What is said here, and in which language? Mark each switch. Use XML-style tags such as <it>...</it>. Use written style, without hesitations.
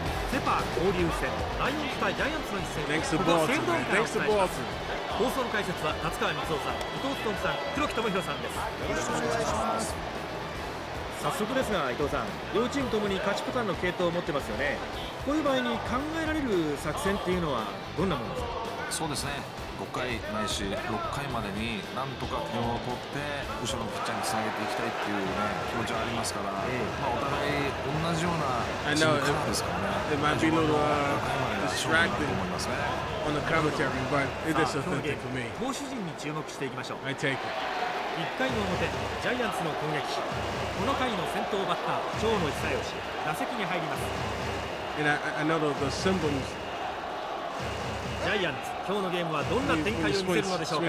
<ja>セパ交流戦、ライオンズ対ジャイアンツの一戦、ライオンズ対ジャイアンツ。放送の解説は辰川光雄さん、伊藤勤さん、黒木智弘さんです。早速ですが、伊藤さん、両チームともに勝ちパターンの系統を持ってますよね。こういう場合に考えられる作戦っていうのはどんなものですか？そうですね。回ないし6回までになんとか点を取って後ろのピッチャーにつなげていきたいっていう、ね、気持ちはありますから、まあ、お互い同じようなチームカラーですからね。</ja> <en>It might be a little distracted on the commentary, but it is authentic for me.</en> <ja>投手陣に注目していきましょう。</ja> <en>I take it.</en> <ja>1回の表、ジャイアンツの攻撃。この回の先頭バッター、長野久義、打席に入ります。ジャイアンツ、今日のゲームはどんな展開を見せるのでしょうか。</ja>